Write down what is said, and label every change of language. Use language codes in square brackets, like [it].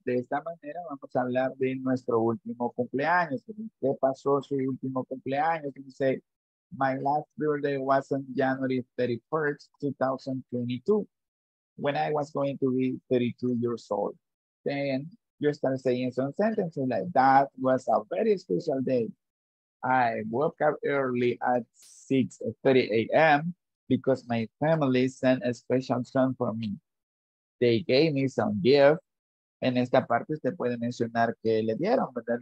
[es] De esta manera, vamos a hablar de nuestro último cumpleaños. ¿Qué pasó su último cumpleaños? [en] You say, my last birthday was on January 31st, 2022, when I was going to be 32 years old. Then you start saying some sentences like, that was a very special day. I woke up early at 6:30 a.m. because my family sent a special song for me. They gave me some gift. [es] En esta parte usted puede mencionar que le dieron, ¿verdad?